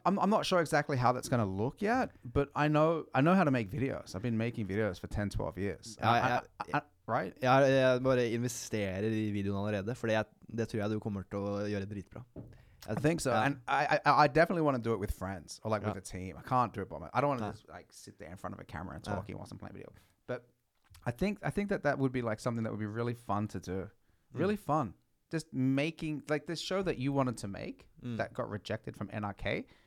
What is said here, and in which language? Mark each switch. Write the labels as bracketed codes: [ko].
[en] I'm not sure exactly how that's going to look yet, but I know how to make videos. I've been making videos for 10-12 years. Right? [no] Ja, jeg bare investerer I videoen allerede, for det tror jeg du kommer til å gjøre dritbra. [en] I think so. Yeah. And I definitely want to do it with friends or like with a team. I can't do it by myself. I don't want to just like sit there in front of a camera and talking while I'm playing video. But I think that would be like something that would be really fun to do. Really fun. Just making like this show that you wanted to make that got rejected from NRK.